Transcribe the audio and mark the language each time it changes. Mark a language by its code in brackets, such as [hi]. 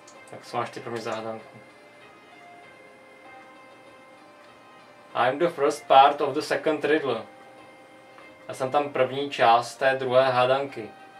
[cs] Tak co máš ty pro mě za hádanku? [en] I'm the first part of the second riddle. [cs] Já jsem tam první část té druhé hádanky.